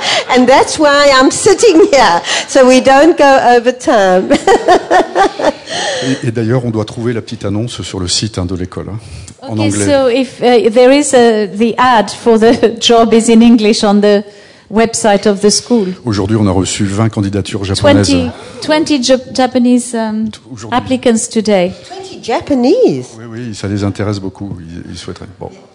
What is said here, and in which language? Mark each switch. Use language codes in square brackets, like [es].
[en] And that's why I'm sitting here, so we don't go over time. [fr] Et d'ailleurs, on doit trouver la petite annonce sur le site de l'école, en anglais. [en] Okay, so if there is the ad for the job is in English on the website of the school. [fr] Aujourd'hui, on a reçu 20 candidatures japonaises. [en] 20 Japanese applicants today. 20 Japanese. [fr] Oui, oui, ça les intéresse beaucoup. Ils souhaiteraient. Bon.